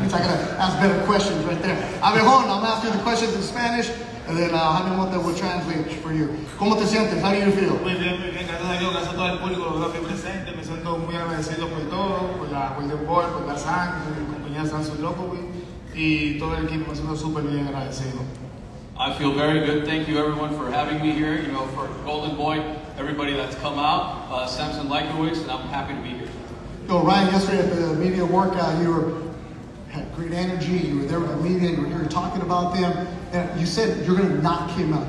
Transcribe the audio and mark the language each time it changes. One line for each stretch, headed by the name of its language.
English: Means I gotta ask better questions right there. Abejon, I'm asking the questions in Spanish, and then Javier Monta will translate for you.
Spanish: ¿Cómo te sientes?
English: How do you feel?
Spanish: Muy bien, gracias a Dios, gracias a todo el público, lo veo aquí presente. Me siento muy agradecido por todo, por la Golden Boy, por la sangre, mi compañía Sansu Loco, y todo el equipo, me siento súper bien agradecido.
English: I feel very good. Thank you, everyone, for having me here. You know, for Golden Boy, everybody that's come out, Samson Likowicz, and I'm happy to be here. Yo, Ryan, yesterday at the media workout, you were, had great energy. You were there with the media, you were here talking about them. And you said you're going to knock him out.